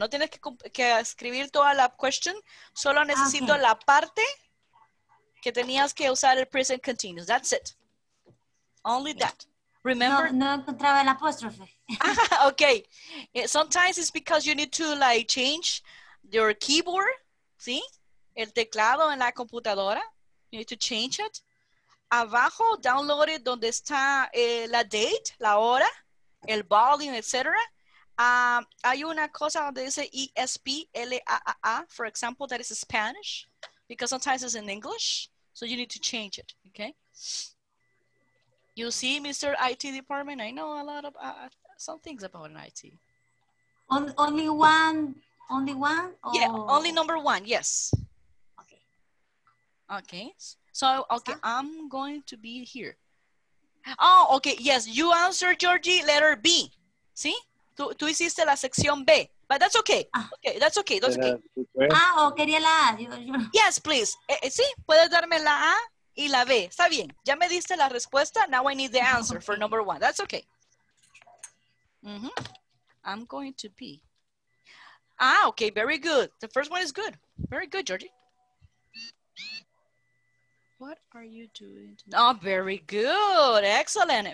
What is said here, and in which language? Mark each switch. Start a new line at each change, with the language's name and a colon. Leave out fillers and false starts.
Spanish: No tienes que escribir toda la question. Solo necesito la parte que tenías que usar el present continuous.
English: That's it. Only that. Remember?
Spanish: No, no encontraba el apóstrofe.
English: Okay. Sometimes it's because you need to like change your keyboard, ¿sí?
Spanish: El teclado en la computadora.
English: You need to change it.
Spanish: Abajo,
English: download it
Spanish: donde está la date, la hora, el volume, etc. Hay una cosa donde dice
English: E-S-P-L-A-A-A, for example, that is Spanish, because sometimes it's in English, so you need to change it, okay? You see, Mr. IT department, I know a lot of some things about an IT. Only one? Yeah, only number one, yes. Okay. So, okay, I'm going to be here. Oh, okay, yes, you answered, Georgie, letter B. ¿Sí?
Spanish: Tú hiciste la sección B,
English: but that's okay. Okay, that's okay, that's okay.
Spanish: Quería la A.
English: Yes, please.
Spanish: Sí, puedes darme la A y la B. Está bien, ya me diste la respuesta.
English: Now I need the answer for number one. That's okay. Mm-hmm. I'm going to be. Okay, very good. The first one is good. Very good, Georgie. What are you doing? Oh, very good. Excellent.